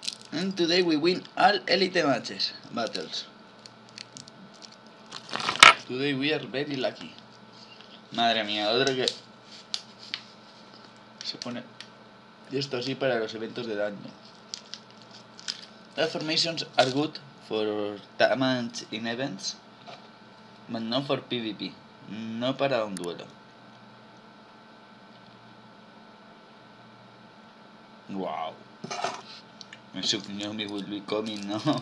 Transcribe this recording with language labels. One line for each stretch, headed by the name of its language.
English: And today we win all Elite matches, battles. Today we are very lucky.
Spanish: Madre mía, otro que se pone esto así para los eventos de daño.
English: The formations are good for damage in events, but not for PvP.
Spanish: No para un duelo.
English: Wow. My Tsukiyomi will be coming, no?